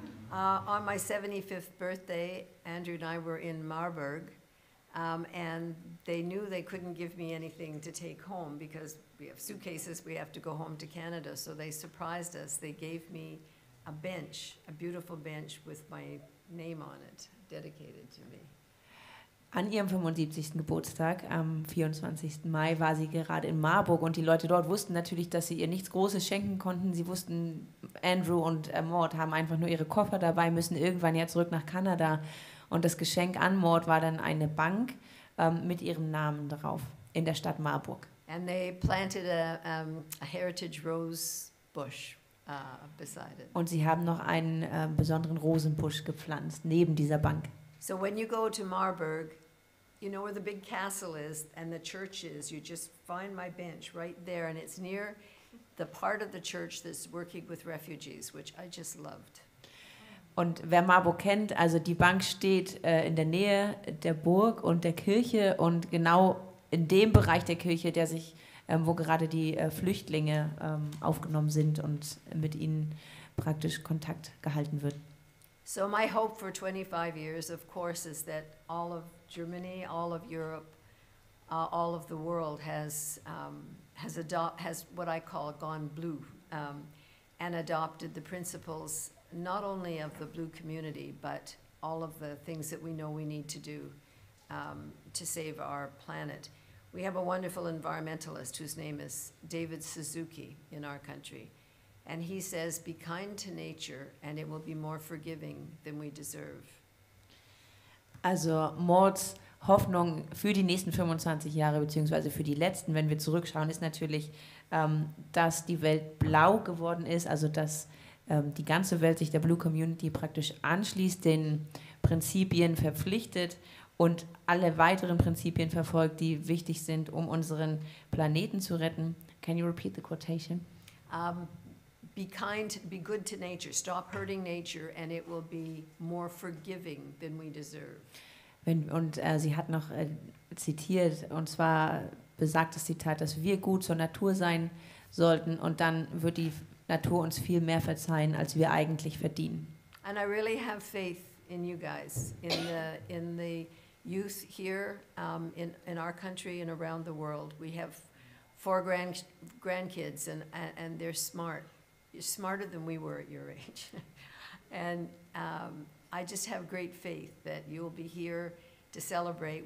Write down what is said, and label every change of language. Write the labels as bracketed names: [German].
[English] On my 75th birthday, Andrew and I were in Marburg, and they knew they couldn't give me anything to take home because we have suitcases, we have to go home to Canada. So they surprised us. They gave me a bench, a beautiful bench with my name on it, dedicated to me. [German] An ihrem 75. Geburtstag, am 24. Mai, war sie gerade in Marburg und die Leute dort wussten natürlich, dass sie ihr nichts Großes schenken konnten. Sie wussten, Andrew und Maud haben einfach nur ihre Koffer dabei, müssen irgendwann ja zurück nach Kanada. Und das Geschenk an Maud war dann eine Bank mit ihrem Namen drauf in der Stadt Marburg. [English] And they planted a heritage rose bush beside it. [German] Und sie haben noch einen besonderen Rosenbusch gepflanzt neben dieser Bank. [English] So when you go to Marburg, you know where the big castle is and the church is. You just find my bench right there, and it's near the part of the church that's working with refugees, which I just loved. [German] Und wer Marburg kennt, also die Bank steht in der Nähe der Burg und der Kirche und genau in dem Bereich der Kirche, der sich, wo gerade die Flüchtlinge aufgenommen sind und mit ihnen praktisch Kontakt gehalten wird. [English] So my hope for 25 years, of course, is that all of Germany, all of Europe, all of the world has what I call gone blue and adopted the principles not only of the blue community, but all of the things that we know we need to do to save our planet. We have a wonderful environmentalist whose name is David Suzuki in our country. And he says, be kind to nature and it will be more forgiving than we deserve. [German] Also Mauds Hoffnung für die nächsten 25 Jahre, beziehungsweise für die letzten, wenn wir zurückschauen, ist natürlich, dass die Welt blau geworden ist, also dass die ganze Welt sich der Blue Community praktisch anschließt, den Prinzipien verpflichtet und alle weiteren Prinzipien verfolgt, die wichtig sind, um unseren Planeten zu retten. [English] Can you repeat the quotation? Be kind, be good to nature, stop hurting nature and it will be more forgiving than we deserve. [German] Sie hat noch zitiert, und zwar besagt das Zitat, dass wir gut zur Natur sein sollten und dann wird die Natur uns viel mehr verzeihen, als wir eigentlich verdienen. [English] And I really have faith in you guys, in the youth here, in our country and around the world. We have 4 grandkids and they're smart. You're smarter than we were at your age. And I just have great faith that you'll be here to celebrate.